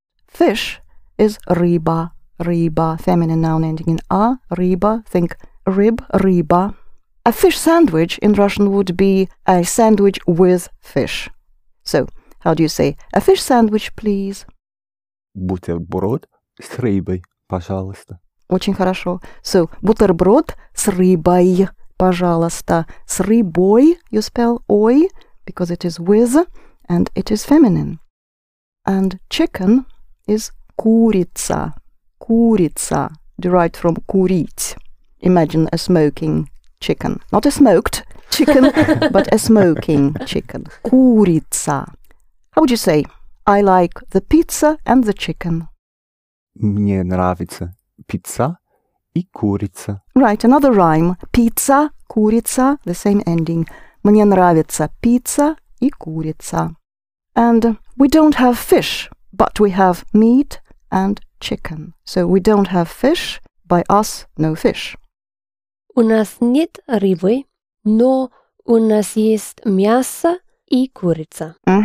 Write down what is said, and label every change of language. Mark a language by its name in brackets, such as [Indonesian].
[English] Fish is рыба, рыба, feminine noun ending in a, рыба, think rib, рыба. A fish sandwich in Russian would be a sandwich with fish. So how do you say a fish sandwich, please? [Russian] Бутерброд с рыбой. Пожалуйста. Очень хорошо. So, бутерброд с рыбой, пожалуйста. [English] С рыбой, you spell ой, because it is with, and it is feminine. And chicken is курица. Курица, derived from курить. Imagine a smoking chicken. Not a smoked chicken, but a smoking chicken. [Russian] Курица. [English] How would you say, I like the pizza and the chicken? [Russian] Мне нравится пицца и курица. [English] Right, another rhyme. Пицца, курица, the same ending. [Russian] Мне нравится пицца и курица. [English] And we don't have fish, but we have meat and chicken. So we don't have fish, by us, no fish. [Russian] У нас нет рыбы, но у нас есть мясо и курица.